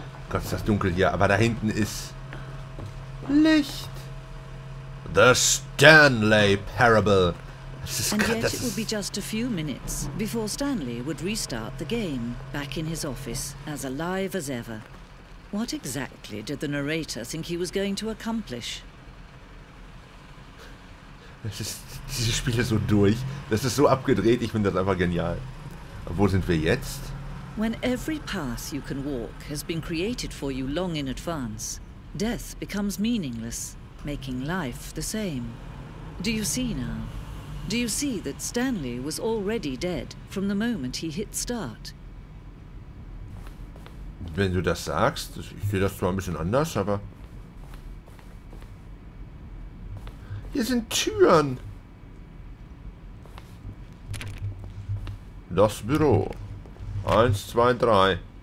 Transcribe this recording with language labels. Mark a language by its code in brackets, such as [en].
[de] Gott, ist das dunkel hier, aber da hinten ist Licht. [en] The Stanley Parable. And yet it would be just a few minutes before Stanley would restart the game, back in his office, as alive as ever. What exactly did the narrator think he was going to accomplish? [de] Das ist, dieses Spiel ist so durch. Das ist so abgedreht. Ich finde das einfach genial. Wo sind wir jetzt? [en] When every path you can walk has been created for you long in advance, death becomes meaningless. Making life the same. Do you see now? Do you see that Stanley was already dead from the moment he hit start? [de] Wenn du das sagst, ich sehe das zwar ein bisschen anders, aber hier sind Türen. Das Büro. 1, 2, 3.